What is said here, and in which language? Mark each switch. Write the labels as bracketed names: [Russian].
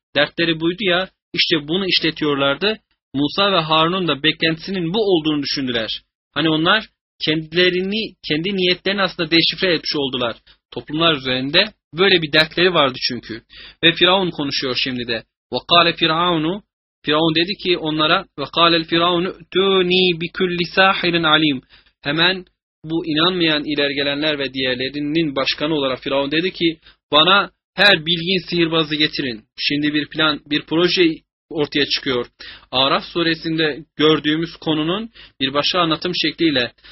[Turkish] Dertleri buydu ya, işte bunu işletiyorlardı. Musa ve Harun'un da beklentisinin bu olduğunu düşündüler. Hani onlar kendilerini, kendi niyetlerini aslında deşifre etmiş oldular. Toplumlar üzerinde böyle bir dertleri vardı çünkü. Ve Firavun konuşuyor şimdi de. [Arabic] وَقَالَ فِرْعَوْنُ [Turkish] Firavun dedi ki onlara, [Arabic] وَقَالَ الْفِرَعُونُ اُتُونِي بِكُلِّ سَاحِرٍ عَلِيمٍ. [Turkish] Hemen bu inanmayan ileri gelenler ve diğerlerinin başkanı olarak Firavun dedi ki, bana her bilgin sihirbazı getirin. Şimdi bir plan, bir proje ortaya çıkıyor. Araf suresinde gördüğümüz konunun bir başka anlatım şekliyle.